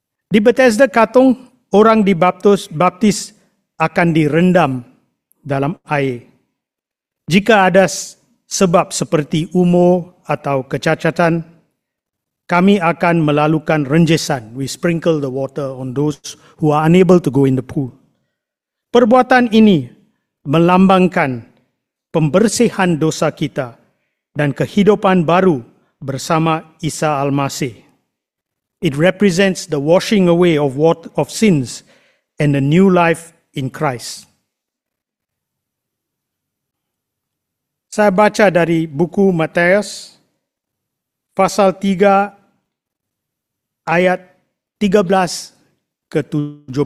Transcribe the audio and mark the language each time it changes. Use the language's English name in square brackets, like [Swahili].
[Indonesian] Di Bethesda Katong, orang dibaptis akan direndam dalam air. Jika ada sebab seperti umur atau kecacatan, kami akan melalukan renjesan. [English] We sprinkle the water on those who are unable to go in the pool. [Indonesian] Perbuatan ini melambangkan pembersihan dosa kita dan kehidupan baru bersama Isa Al-Masih. [English] It represents the washing away of what of sins and a new life in Christ. [Indonesian] Saya baca dari buku Matius pasal 3 ayat 13 ke 17.